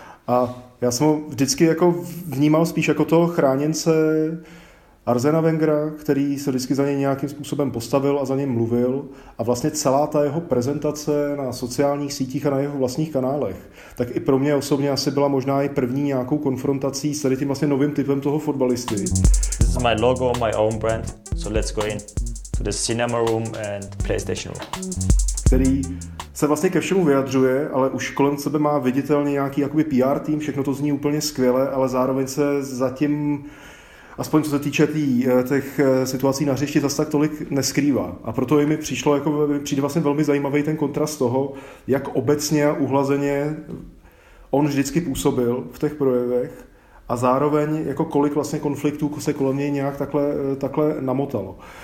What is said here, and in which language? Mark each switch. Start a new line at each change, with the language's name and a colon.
Czech: A já jsem ho vždycky jako vnímal spíš jako toho chráněnce Arsena Wengera, který se vždycky za něj nějakým způsobem postavil a za něj mluvil, a vlastně celá ta jeho prezentace na sociálních sítích a na jeho vlastních kanálech, tak i pro mě osobně asi byla možná i první nějakou konfrontací s tady tím vlastně novým typem toho fotbalisty.
English: This is my logo, my own brand, so let's go in to the cinema room and PlayStation room.
Czech: Který se vlastně ke všemu vyjadřuje, ale už kolem sebe má viditelně nějaký jakoby PR tým, všechno to zní úplně skvěle, ale zároveň se zatím, aspoň co se týče těch situací na hřišti, zase tak tolik neskrývá. A proto i mi přišlo, jako přijde vlastně velmi zajímavý ten kontrast toho, jak obecně a uhlazeně on vždycky působil v těch projevech a zároveň jako kolik vlastně konfliktů se kolem něj nějak takhle namotalo.